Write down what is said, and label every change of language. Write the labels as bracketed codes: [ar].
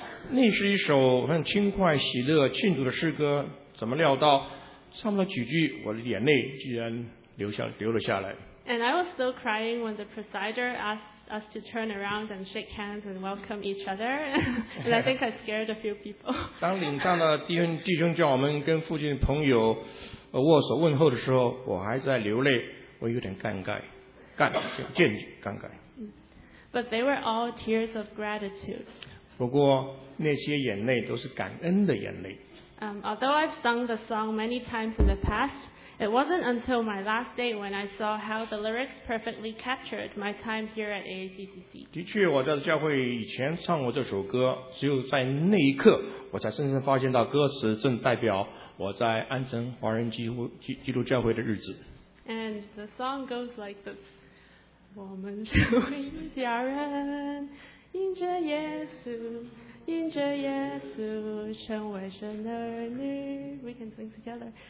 [zh] 那是一首很轻快、喜乐、庆祝的诗歌，怎么料到唱不了几句，我的眼泪居然流了下来。 [en] And I was still crying when the presider asked us to turn around and shake hands and welcome each other. And I think I scared a few people. [zh] 当领上的弟兄叫我们跟附近的朋友握手问候的时候，我还在流泪，我有点尴尬，尴尬。 [en] But they were all tears of gratitude. [zh] 不过那些眼泪都是感恩的眼泪。 [en] Although I've sung the song many times in the past, it wasn't until my last day when I saw how the lyrics perfectly captured my time here at AACCC. [zh] 的确，我在教会以前唱过这首歌，只有在那一刻，我才深深发现到歌词正代表我在安城华人基督教会的日子。 [en] And the song goes like this: [zh] 我们成为一家人，因着耶稣，因着耶稣成为神的儿女。 [en] We can sing together.